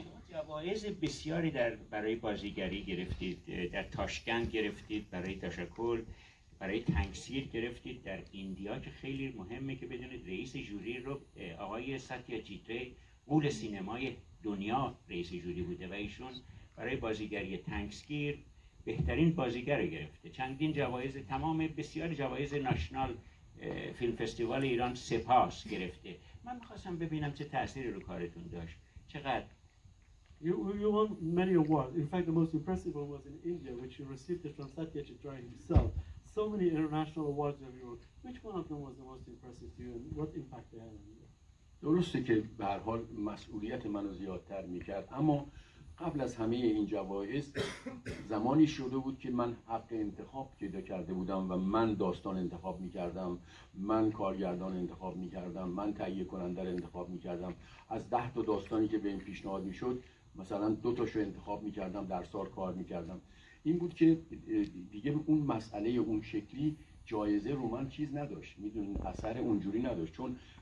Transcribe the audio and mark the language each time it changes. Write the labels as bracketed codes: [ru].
[fa] جوایز بسیاری در برای بازیگری گرفتید در تاشکند گرفتید برای تشکل برای تنگسیر گرفتید در ایندیا که خیلی مهمه که بدونید رئیس جوری رو آقای ساتیا جیتره قول سینمای دنیا رئیس جوری بوده و ایشون برای بازیگری تنگسیر بهترین بازیگر گرفته چندین جوایز تمام بسیاری جوایز ناشنال فیلم فستیوال ایران سپاس گرفته من می‌خواستم ببینم چه تأثیری رو کارتون داشت چقدر [en] You won many awards. In fact, the most impressive one was in India, which you received it from Satya Chitray himself. So many international awards of your own. Which one of them was the most impressive to you, and what impact they had on you? [fa] درسته که به هر حال مسئولیت منو زیادتر میکرد. اما قبل از همه این جوایز زمانی شده بود که من حق انتخاب پیدا کرده بودم و من داستان انتخاب میکردم من کارگردان انتخاب میکردم من تهیه کننده انتخاب میکردم از 10 تا داستانی که به این پیشنهاد میشد مثلا دو تاشو انتخاب میکردم در سال کار میکردم این بود که دیگه اون مسئله اون شکلی جایزه رو من چیز نداشت میدونین اثر اونجوری نداشت چون